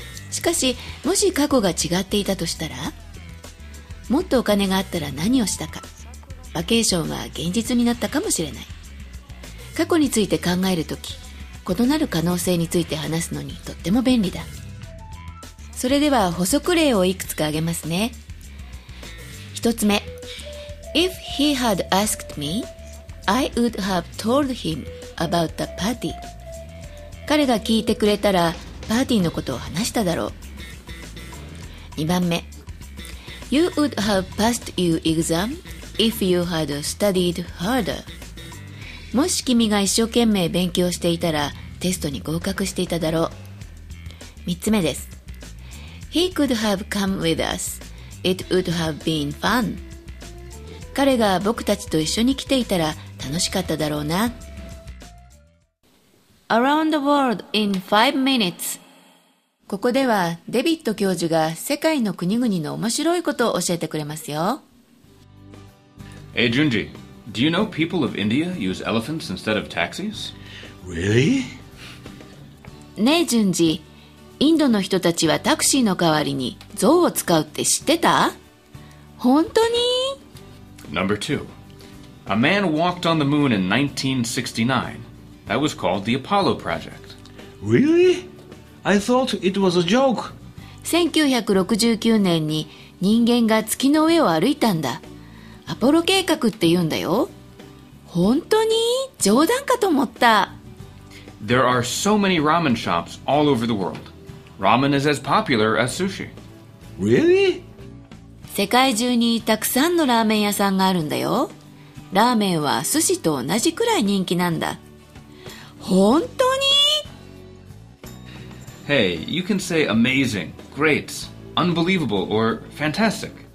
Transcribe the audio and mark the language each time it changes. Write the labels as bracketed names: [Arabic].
[Japanese] しかし、もし過去が違っていたとしたら、もっとお金があったら何をしたか。バケーションは現実になったかもしれない。過去について考えるとき、異なる可能性について話すのにとっても便利だ。それでは補足例をいくつか挙げますね。一つ目。 [English] If he had asked me, I would have told him about the party. [Japanese] 彼が聞いてくれたら、パーティーのことを話しただろう。二番目。 [English] You would have passed your exam if you had studied harder. [Japanese] もし君が一生懸命勉強していたら、テストに合格していただろう。三つ目です。 [English] He could have come with us. It would have been fun. [Japanese] 彼が僕たちと一緒に来ていたら、楽しかっただろうな。 [English] Around the world in 5 minutes. [Japanese] ここではデビッド教授が世界の国々の面白いことを教えてくれますよ。 [English] Hey, Junji, do you know people of India use elephants instead of taxis? Really? [Japanese] ねえ、Junji、インドの人たちはタクシーの代わりに象を使うって知ってた？本当に？ [English] Number two. A man walked on the moon in 1969. That was called the Apollo Project. Really? I thought it was a joke. [Japanese] 1969年に人間が月の上を歩いたんだ。アポロ計画って言うんだよ。本当に？冗談かと思った。 [English] There are so many ramen shops all over the world. Ramen is as popular as sushi. Really? [Japanese] 世界中にたくさんのラーメン屋さんがあるんだよ。ラーメンは寿司と同じくらい人気なんだ。本当に？ [English] Hey, you can say amazing, great, unbelievable, or fantastic.